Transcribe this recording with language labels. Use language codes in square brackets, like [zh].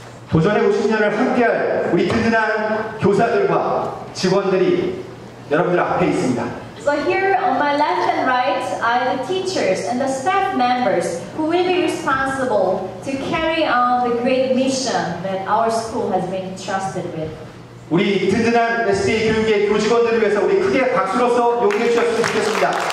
[ko] 도전의 50년을 함께할 우리 든든한 교사들과 직원들이 여러분들 앞에 있습니다. [en] So here on my left and right are the teachers and the staff members who will be responsible to carry on the great mission that our school has been entrusted with. [ko] 우리 든든한 SDA 교육의 교직원들을 위해서 우리 크게 박수로서 용기를 주셨으면 좋겠습니다.